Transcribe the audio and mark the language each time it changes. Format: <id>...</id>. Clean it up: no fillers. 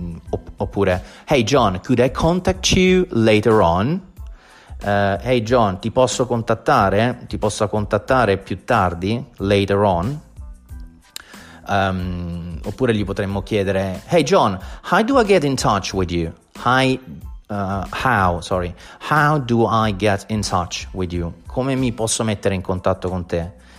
<en>Oppure, hey John, could I contact you later on?</en> <it>Hey John, ti posso contattare? Ti posso contattare più tardi,</it> <en>later on?</en> <it>Oppure gli potremmo chiedere,</it> <en>hey John, how do I get in touch with you? How do I get in touch with you?</en> <it>Come mi posso mettere in contatto con te?</it>